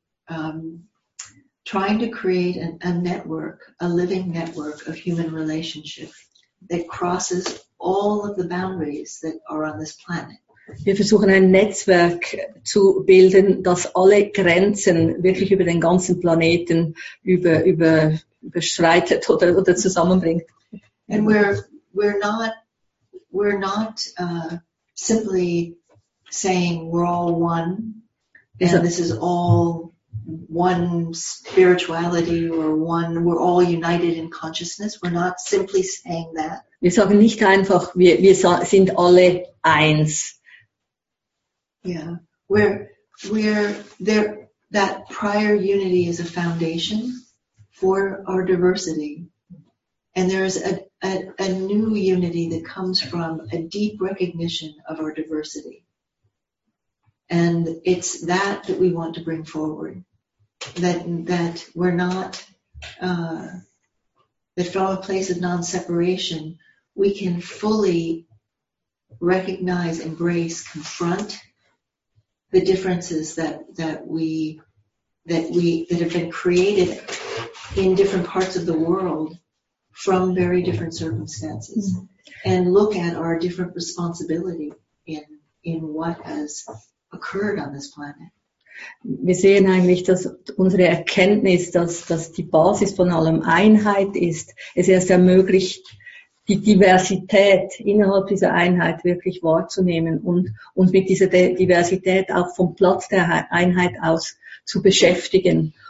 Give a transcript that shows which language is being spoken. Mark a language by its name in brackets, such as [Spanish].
[English] We're trying to create a network, a living network of human relationships. That crosses all of the boundaries that are on this planet. [German] Wir versuchen ein Netzwerk zu bilden, das alle Grenzen wirklich über den ganzen Planeten überschreitet oder zusammenbringt. [English] And we're not simply saying we're all one, and this is all one spirituality or one, we're all united in consciousness. We're not simply saying that. [German] Wir sagen nicht einfach, wir sind alle eins. [English] Yeah, we're there. That prior unity is a foundation for our diversity. And there is a new unity that comes from a deep recognition of our diversity. And it's that that we want to bring forward. That we're not, that from a place of non-separation, we can fully recognize, embrace, confront the differences that have been created in different parts of the world from very different circumstances, mm-hmm. and look at our different responsibility in what has occurred on this planet. [German] Wir sehen eigentlich, dass unsere Erkenntnis, dass die Basis von allem Einheit ist, es erst ermöglicht, die Diversität innerhalb dieser Einheit wirklich wahrzunehmen und uns mit dieser Diversität auch vom Platz der Einheit aus zu beschäftigen